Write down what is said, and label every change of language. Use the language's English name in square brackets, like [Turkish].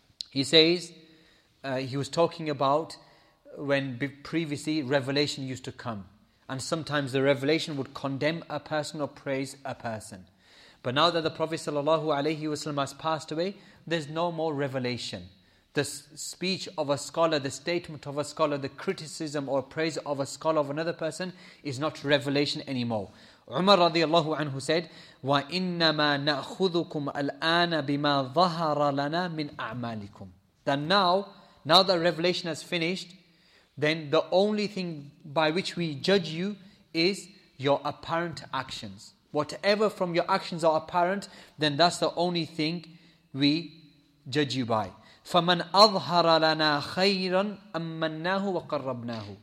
[English] He says, he was talking about when previously revelation used to come, and sometimes the revelation would condemn a person or praise a person. But now that the Prophet sallallahu alayhi wasallam has passed away, there's no more revelation. The speech of a scholar, the statement of a scholar, the criticism or praise of a scholar of another person is not revelation anymore. Umar radiallahu anhu said, [Arabic] وَإِنَّمَا نَأْخُذُكُمْ الْآنَ بِمَا ظَهَرَ لَنَا مِنْ أَعْمَالِكُمْ. [English] That now that revelation has finished, then the only thing by which we judge you is your apparent actions. Whatever from your actions are apparent, then that's the only thing we judge you by. [Arabic] فَمَنْ أَظْهَرَ لَنَا خَيْرًا أَمَّنَّاهُ وَقَرَّبْنَاهُ.